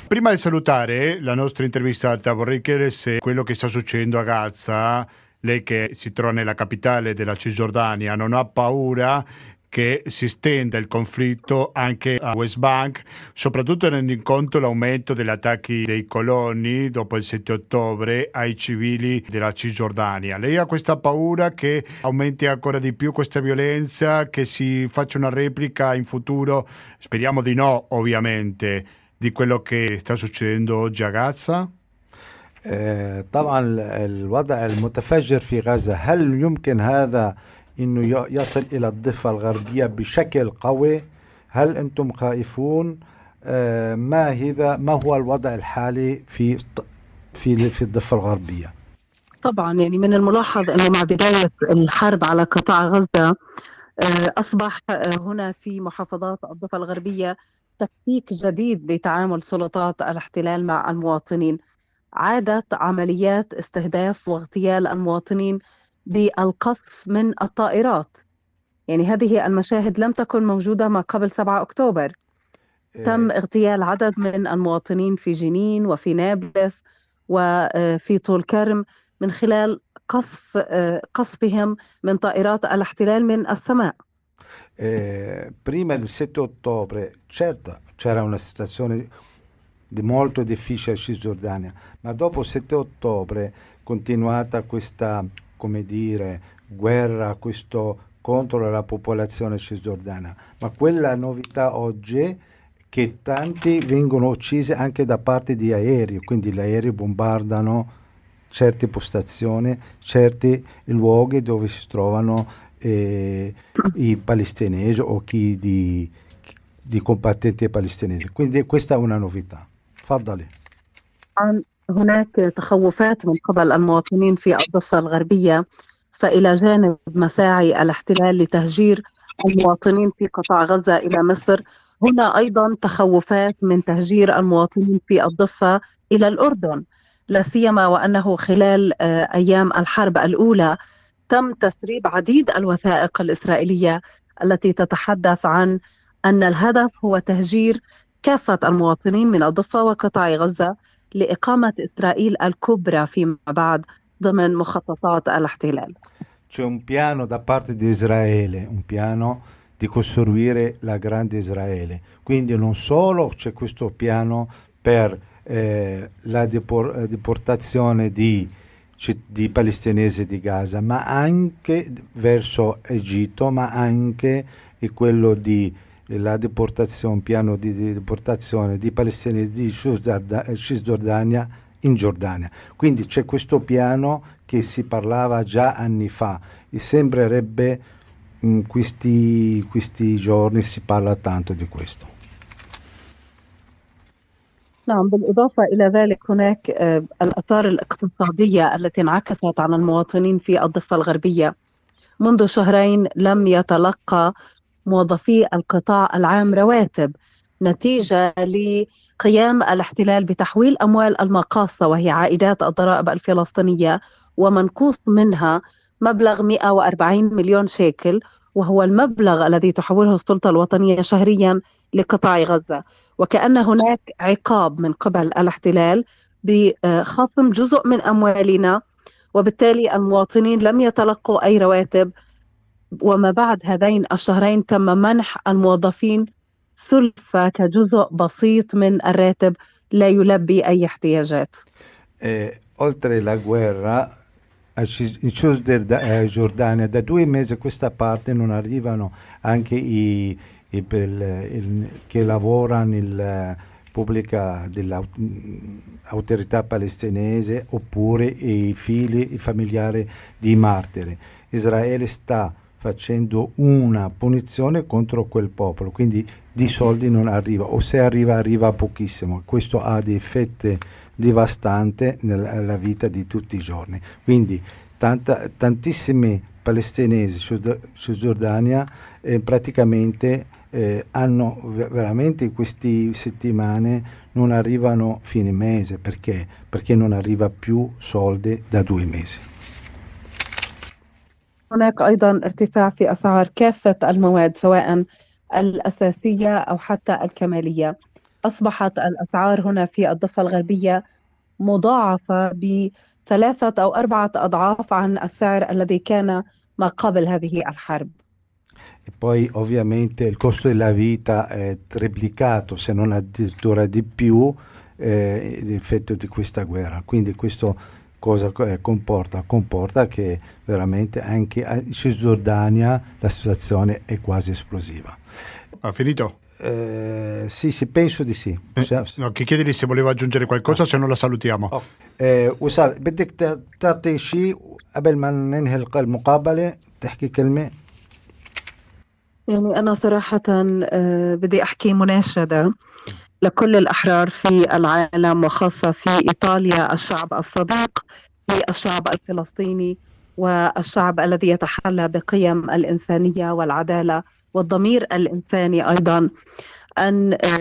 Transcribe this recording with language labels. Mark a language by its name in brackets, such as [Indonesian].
[Italian] Prima di salutare la nostra intervistata, vorrei chiedere se quello che sta succedendo a Gaza, lei che si trova nella capitale della Cisgiordania, non ha paura che si stenda il conflitto anche a West Bank, soprattutto tenendo in conto l'aumento degli attacchi dei coloni dopo il 7 ottobre ai civili della Cisgiordania? Lei ha questa paura che aumenti ancora di più questa violenza, che si faccia una replica in futuro, speriamo di no ovviamente, di quello che sta succedendo oggi a Gaza? [Arabic] طبعا الوضع المتفجر في غزة هل يمكن هذا إنه يصل إلى الضفة الغربية بشكل قوي؟ هل أنتم خائفون؟ ما هو الوضع الحالي في في في الضفة الغربية؟ طبعا يعني من الملاحظ إنه مع بداية الحرب على قطاع غزة أصبح هنا في محافظات الضفة الغربية تكتيك جديد لتعامل سلطات الاحتلال مع المواطنين. عادت عمليات استهداف واغتيال المواطنين بالقصف من الطائرات، يعني هذه المشاهد لم تكن موجودة ما قبل 7 أكتوبر. تم اغتيال عدد من المواطنين في جنين وفي نابلس وفي طول كرم من خلال قصفهم من طائرات الاحتلال من السماء. [Italian] Prima del 7 ottobre, certo, c'era una situazione molto difficile a Cisgiordania, ma dopo 7 ottobre continuata questa, come dire, guerra, questo contro la popolazione cisgiordana. Ma quella novità oggi è che tanti vengono uccisi anche da parte di aerei, quindi gli aerei bombardano certe postazioni, certi luoghi dove si trovano i palestinesi o chi di combattenti palestinesi. Quindi questa è una novità. [Arabic] تفضلي. هناك تخوفات من قبل المواطنين في الضفة الغربية، فإلى جانب مساعي الاحتلال لتهجير المواطنين في قطاع غزة إلى مصر، هنا أيضا تخوفات من تهجير المواطنين في الضفة إلى الأردن، لا سيما وأنه خلال أيام الحرب الأولى تم تسريب عديد الوثائق الإسرائيلية التي تتحدث عن أن الهدف هو تهجير كافة المواطنين من الضفة وقطاع غزة لإقامة إسرائيل الكبرى فيما بعد ضمن مخططات الاحتلال. [Italian] C'è un piano da parte di Israele, un piano di costruire la grande Israele. Quindi non solo c'è questo piano per la deportazione di palestinesi di Gaza, ma anche verso Egitto, ma anche quello di la deportazione, piano di deportazione di palestinesi di Cisgiordania in Giordania. Quindi c'è questo piano che si parlava già anni fa e sembrerebbe questi giorni si parla tanto di questo. [Arabic] نعم بالإضافة إلى ذلك هناك الأثار الاقتصادية التي انعكست على المواطنين في الضفة الغربية منذ شهرين لم يتلقى موظفي القطاع العام رواتب نتيجة لقيام الاحتلال بتحويل أموال المقاصة وهي عائدات الضرائب الفلسطينية ومنقوص منها مبلغ 140 مليون شيكل وهو المبلغ الذي تحوله السلطة الوطنية شهرياً لقطاع غزة وكأن هناك عقاب من قبل الاحتلال بخصم جزء من أموالنا وبالتالي المواطنين لم يتلقوا أي رواتب وما بعد هذين الشهرين تم منح الموظفين سلفة كجزء بسيط من الراتب لا يلبي أي احتياجات [Italian] oltre la guerra in Giordania da due mesi a questa parte non arrivano anche che lavora nella pubblica dell'autorità palestinese oppure i figli e familiari di martiri. Israele sta facendo una punizione contro quel popolo, quindi di soldi non arriva, o se arriva, arriva pochissimo. Questo ha dei effetti devastanti nella vita di tutti i giorni. Quindi tantissimi palestinesi su Giordania praticamente hanno veramente queste settimane non arrivano fine mese perché non arriva più soldi da due mesi. [Arabic] هناك ايضا ارتفاع في اسعار كافه المواد سواء الاساسيه او حتى الكماليه اصبحت الاسعار هنا في الضفه الغربيه مضاعفه بثلاثه او اربعه اضعاف عن السعر الذي كان ما قبل هذه الحرب. [Italian] E poi ovviamente il costo della vita è triplicato, se non addirittura di più, l'effetto di questa guerra. Quindi questo cosa comporta? Comporta che veramente anche in Cisgiordania la situazione è quasi esplosiva. Ha finito? Sì, penso di sì. No, chi chiede lì se voleva aggiungere qualcosa, se no la salutiamo. [Arabic] Usal, بدك تعطي شيء قبل ما ننهي المقابلة تحكي كلمة. يعني أنا صراحة بدي أحكي مناشدة لكل الأحرار في العالم وخاصة في إيطاليا الشعب الصديق للشعب الفلسطيني والشعب الذي يتحلى بقيم الإنسانية والعدالة والضمير الإنساني أيضا أن